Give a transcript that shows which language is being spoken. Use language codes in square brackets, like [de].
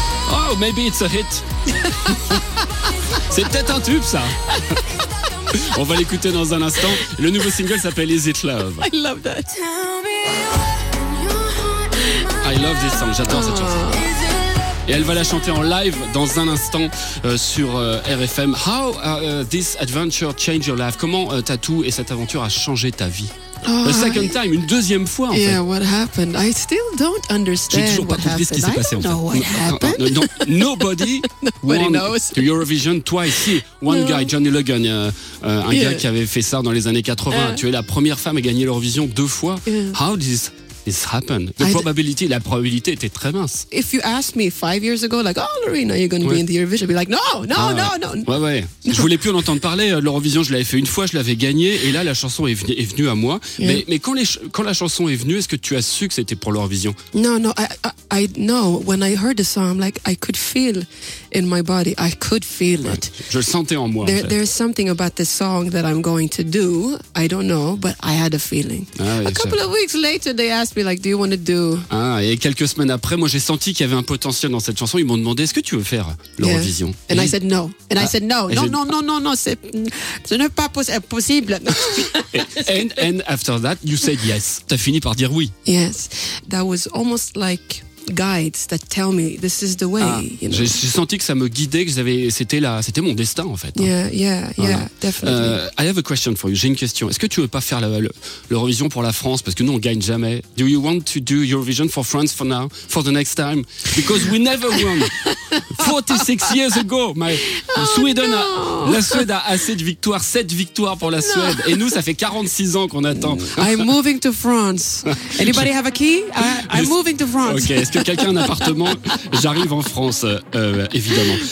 [en] Oh, maybe it's a hit. [fr] C'est peut-être un tube, ça. On va l'écouter dans un instant. Le nouveau single s'appelle Is It Love. [en] I love that. I love this song. [fr] J'adore cette chanson. Et elle va la chanter en live dans un instant sur RFM. [en] How this adventure changed your life? [fr] Comment Tattoo et cette aventure a changé ta vie? Une deuxième fois en fait. [en] Yeah, what happened? I still don't understand. [fr] J'ai toujours pas compris ce qui s'est passé en fait. [en] I don't know what happened. Nobody won knows. To Eurovision twice. Here. One guy, [fr] Johnny Logan, gars qui avait fait ça dans les années 80. Tu es la première femme à gagner l'Eurovision deux fois. [en] Yeah. How did this happen? [fr] La probabilité était très mince. [en] If you asked me 5 years ago, like, oh, Lorena, you're going to be in the Eurovision, I'd be like, no. [fr] Ouais. [en] No. [fr] Je voulais plus en entendre parler. L'Eurovision, je l'avais fait une fois, je l'avais gagné, et là, la chanson est venue à moi. [en] Yeah. [fr] Mais quand la chanson est venue, est-ce que tu as su que c'était pour l'Eurovision? [en] No. When I heard the song, I'm like, I could feel in my body. I could feel it. Je le sentais en moi. There's something about this song that I'm going to do. I don't know, but I had a feeling. A couple of weeks later, they asked me. Like, do you want to do? [fr] Ah, et quelques semaines après, moi j'ai senti qu'il y avait un potentiel dans cette chanson. Ils m'ont demandé, est-ce que tu veux faire l'Eurovision? [en] Yeah. And I said no. And I said no. [fr] Non, c'est pas possible. [en] and after that, you said yes. [fr] T'as fini par dire oui. [en] Yes, that was almost like guides that tell me this is the way. Ah, you know? [fr] J'ai senti que ça me guidait, que c'était mon destin en fait. [en] Yeah, definitely. I have a question for you. [fr] J'ai une question. Est-ce que tu veux pas faire l'Eurovision pour la France parce que nous on gagne jamais? [en] Do you want to do Eurovision for France for now, for the next time? Because we never won. 46 years ago, [fr] la Suède a assez de victoires, 7 victoires pour la Suède. [en] No. [fr] Et nous, ça fait 46 ans qu'on attend. [en] I'm moving to France. Anybody have a key? I'm moving to France. [fr] Ok, est-ce que quelqu'un a un appartement? J'arrive en France, évidemment.